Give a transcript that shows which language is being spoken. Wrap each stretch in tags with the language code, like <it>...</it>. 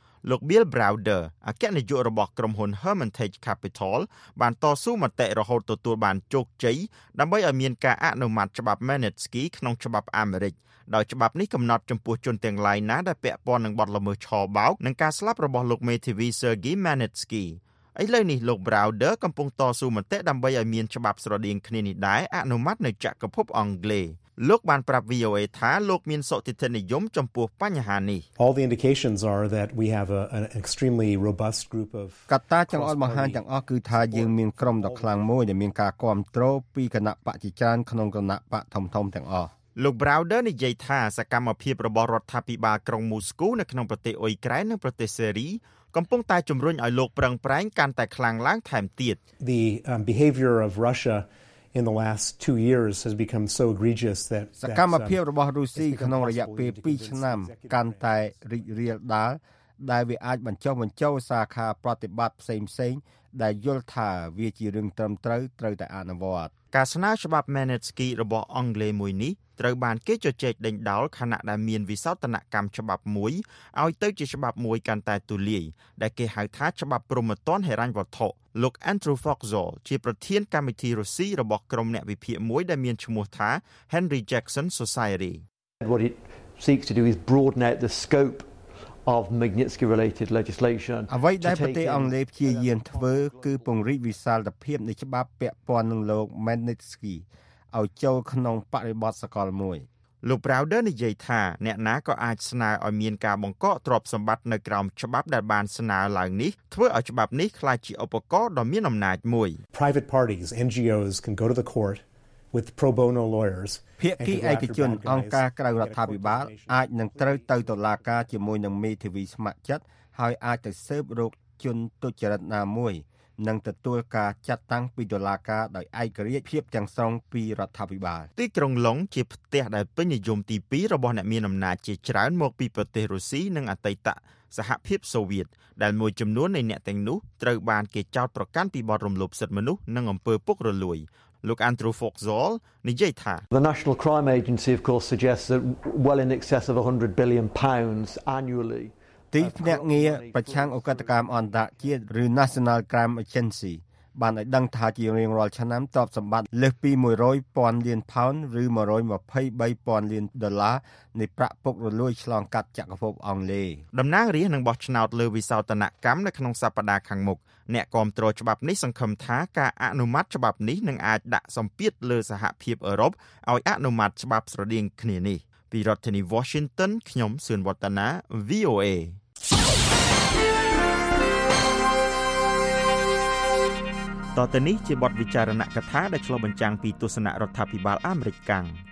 <km>លោក Bill Browder អគ្គនាយករបស់ក្រុមហ៊ុន Hermitage Capital បានតស៊ូមតិរហូតទទួលបានជោគជ័យដើម្បីឲ្យមានការអនុម័តច្បាប់ Magnitsky ក្នុងច្បាប់អាមេរិកដោយច្បាប់នេះកំណត់ចំពោះជនទាំងឡាយណាដែលពាក់ព័ន្ធនឹងបទល្មើសឆបោកនិងការស្លាប់របស់លោកមេធាវី Sergey Magnitsky ឥឡូវនេះលោក Browder កំពុងតស៊ូមតិដើម្បីឲ្យមានច្បាប់ស្រដៀងគ្នានេះដែរអនុម័តនៅចក្រភពអង់គ្លេសលោកបានប្រាប់ VOA ថាលោកមានសុតិធននិយមចំពោះបញ្ហានេះ</km> <en>All the indications are that we have an extremely robust group of</en> <km>កត្តាទាំងអស់បង្ហាញទាំងអស់គឺថាយើងមានក្រុមដ៏ខ្លាំងមួយដែលមានការគ្រប់គ្រងពីគណៈបច្ចារណក្នុងគណៈបកធំធំទាំងអស់ លោក Browder និយាយថាសកម្មភាពរបស់រដ្ឋាភិបាលក្រុងមូស្គូនៅក្នុងប្រទេសអ៊ុយក្រែននិងប្រទេសសេរីកំពុងតែជំរុញឲ្យលោកប្រឹងប្រែងកាន់តែខ្លាំងឡើងថែមទៀត</km> <en>The behavior of Russia in the last 2 years has become so egregious that</en> <km>សកម្មភាពរបស់រុស្ស៊ីក្នុងរយៈពេល2ឆ្នាំកាន់តែរីករាលដាលដែលវាអាចបញ្ចុះបញ្ចោសាខាប្រតិបត្តិផ្សេងៗដែលយល់ថាវាជារឿងត្រឹមត្រូវត្រូវតែអនុវត្ត ការស្នើច្បាប់ Magnitsky របស់អង់គ្លេសមួយនេះត្រូវបានគេជជែកដេញដោលខណៈដែលមានវិសោធនកម្មច្បាប់មួយឲ្យទៅជាច្បាប់មួយកាន់តែទូលាយដែលគេហៅថាច្បាប់ព្រហ្មទណ្ឌហិរញ្ញវត្ថុលោក Andrew Foxall ជាប្រធានកម្មវិធីរុស្ស៊ីរបស់ក្រុមអ្នកវិភាគមួយដែលមានឈ្មោះថា Henry Jackson Society</km> <en>What it seeks to do is broaden out the scopeof Magnitsky related legislation</en> <km>អ្វីដែលប្រទេសអង់គ្លេសព្យាយាមធ្វើគឺពង្រីកវិសាលភាពនៃច្បាប់ពាក់ព័ន្ធនឹងលោក Magnitsky ឲ្យចូលក្នុងបរិបទសកលមួយ លោក Browder និយាយថាអ្នកណាក៏អាចស្នើឲ្យមានការបង្កកទ្រព្យសម្បត្តិនៅក្រោមច្បាប់ដែលបានស្នើឡើងនេះធ្វើឲ្យច្បាប់នេះក្លាយជាឧបករណ៍ដ៏មានអំណាចមួយ</km> <en>Private parties NGOs can go to the court with pro bono lawyers</en> <km>ភាគីឯកជនអង្គការក្រៅរដ្ឋាភិបាលអាចនឹងត្រូវទៅតុលាការជាមួយនឹងមេធាវីស្ម័គ្រចិត្តហើយអាចទៅស៊ើបរកជនទុច្ចរិតណាមួយនឹងទទួលការចាត់តាំងពីតុលាការដោយឯករាជ្យភាពទាំងស្រុងពីរដ្ឋាភិបាល ទីក្រុងឡុងជាផ្ទះដែលពេញនិយមទី2របស់អ្នកមានអំណាចជាច្រើនមកពីប្រទេសរុស្ស៊ីនិងអតីតសហភាពសូវៀតដែលមួយចំនួននៃអ្នកទាំងនោះត្រូវបានគេចោទប្រកាន់ពីបទរំលោភសិទ្ធិមនុស្សនិងអំពើពុករលួយLook Andrew Foxall និយាយថា</km> <en>The National Crime Agency of course suggests that well in excess of 100 billion pounds annually</en> <km>ទីភ្នាក់ងារប្រឆាំងឧក្រិដ្ឋកម្មអន្តរជាតិឬ National Crime Agency បានឲ្យដឹងថាជារៀងរាល់ឆ្នាំទ្រព្យសម្បត្តិលើសពី100ពាន់លានផោនឬ123ពាន់លានដុល្លារនៃប្រាក់ពុករលួយឆ្លងកាត់ចក្រភពអង់គ្លេស តំណាងរាស្ត្រនឹងបោះឆ្នោតលើវិសោធនកម្មនៅក្នុងសប្តាហ៍ខាងមុខអ្នកគាំទ្រច្បាប់នេះសង្ឃឹមថាការអនុម័តច្បាប់នេះនឹងអាចដាក់សម្ពាធលើសហភាពអឺរ៉ុបឲ្យអនុម័តច្បាប់ស្រដៀងគ្នានេះពីរដ្ឋធានី Washington ខ្ញុំសឿនវឌ្ឍនា VOA តទៅនេះជាបទពិចារណកថាដែលឆ្លុះបញ្ចាំងពីទស្សនៈរដ្ឋាភិបាលអាមេរិកកាំង</km>